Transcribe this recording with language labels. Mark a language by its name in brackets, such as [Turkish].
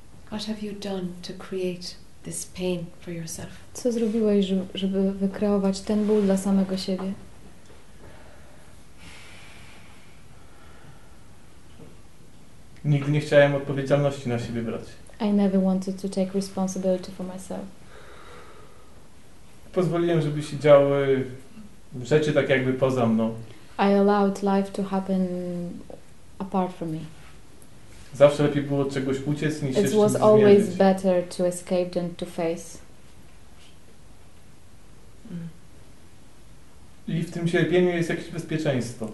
[English] What have you done to create this pain for yourself? [Polish] Co zrobiłeś, żeby wykreować ten ból dla samego siebie? Nigdy nie chciałem odpowiedzialności na siebie brać. [English] I never wanted to take responsibility for myself. [Polish] Pozwoliłem, żeby się działy rzeczy tak jakby poza mną. [English] I allowed life to happen apart from me. [Polish] Zawsze lepiej było od czegoś uciec niż się zmierzyć. [English] It was always better to escape than to face. [Polish] I w tym cierpieniu jest jakieś bezpieczeństwo.